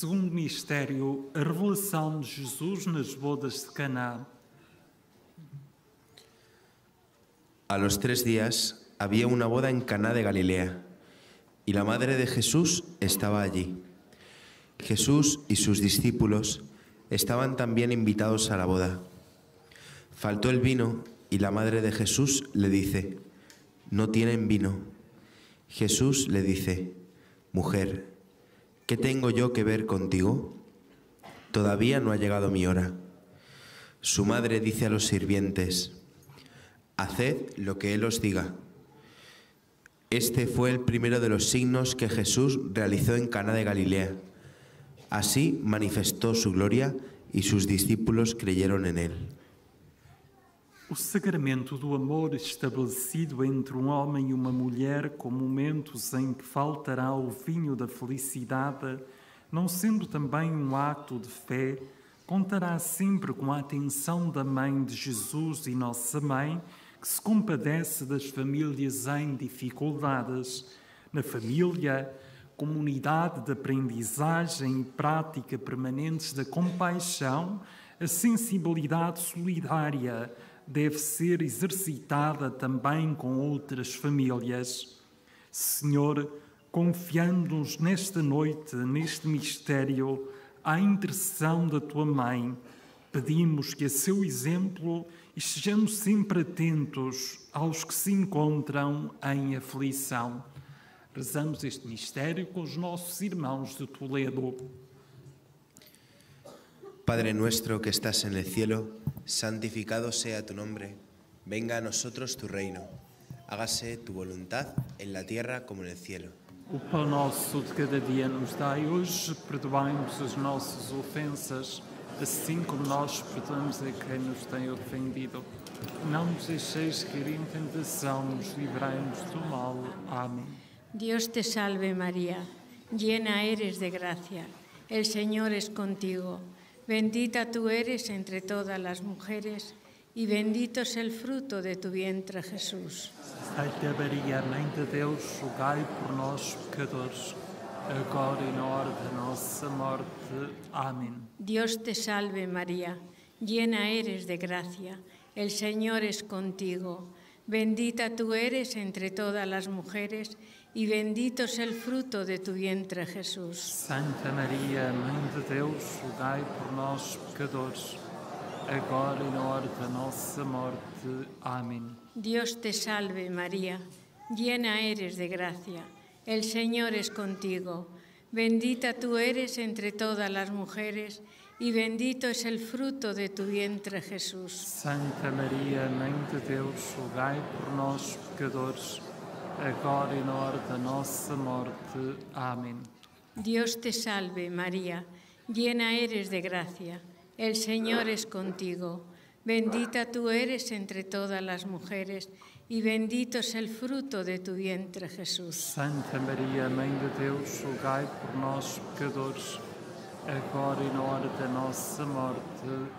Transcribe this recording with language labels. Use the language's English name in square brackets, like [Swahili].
[Portuguese] Mistério, a revelação de Jesus nas bodas de Caná. [Spanish] A los tres días había una boda en Caná de Galilea y la madre de Jesús estaba allí. Jesús y sus discípulos estaban también invitados a la boda. Faltó el vino y la madre de Jesús le dice: «No tienen vino». Jesús le dice: «Mujer, ¿qué tengo yo que ver contigo? Todavía no ha llegado mi hora». Su madre dice a los sirvientes: «Haced lo que él os diga». Este fue el primero de los signos que Jesús realizó en Caná de Galilea. Así manifestó su gloria y sus discípulos creyeron en él. [Portuguese] O sacramento do amor estabelecido entre um homem e uma mulher, com momentos em que faltará o vinho da felicidade, não sendo também um ato de fé, contará sempre com a atenção da Mãe de Jesus e Nossa Mãe, que se compadece das famílias em dificuldades. Na família, comunidade de aprendizagem e prática permanentes da compaixão, a sensibilidade solidária deve ser exercitada também com outras famílias. Senhor, confiando-nos nesta noite, neste mistério, à intercessão da Tua Mãe, pedimos que a seu exemplo estejamos sempre atentos aos que se encontram em aflição. Rezamos este mistério com os nossos irmãos de Toledo. [Spanish] Padre nuestro que estás en el cielo, santificado sea tu nombre. Venga a nosotros tu reino. Hágase tu voluntad en la tierra como en el cielo. [Portuguese] O pão nosso de cada dia nos dai hoje, perdoai-nos as nossas ofensas, assim como nós perdoamos a quem nos tem ofendido. Não nos deixeis cair em tentação, mas livrai-nos do mal. Amém. Deus te salve, [Spanish] Maria, llena eres de gracia. El Señor es contigo. Bendita tú eres entre todas las mujeres y bendito es el fruto de tu vientre, Jesús. [Portuguese] Santa María, Mãe de Deus, rogai por nós, pecadores, agora e na hora da nossa morte. Amém. [Spanish] Dios te salve, María, llena eres de gracia. El Señor es contigo. Bendita tú eres entre todas las mujeres y bendito es el fruto de tu vientre, Jesús. [Portuguese] Santa María, Mãe de Deus, rogai por nós, pecadores, agora e na hora da nossa morte. Amém. [Spanish] Dios te salve, María, llena eres de gracia. El Señor es contigo. Bendita tú eres entre todas las mujeres y bendito es el fruto de tu vientre, Jesús. [Portuguese] Santa María, Mãe de Deus, rogai por nós, pecadores, agora e na hora da nossa morte. Amém. [Spanish] Dios te salve, María, llena eres de gracia. El Señor es contigo. Bendita tú eres entre todas las mujeres y bendito es el fruto de tu vientre, Jesús. [Portuguese] Santa María, Mãe de Deus, rogai por nós, pecadores, agora e na hora da nossa morte.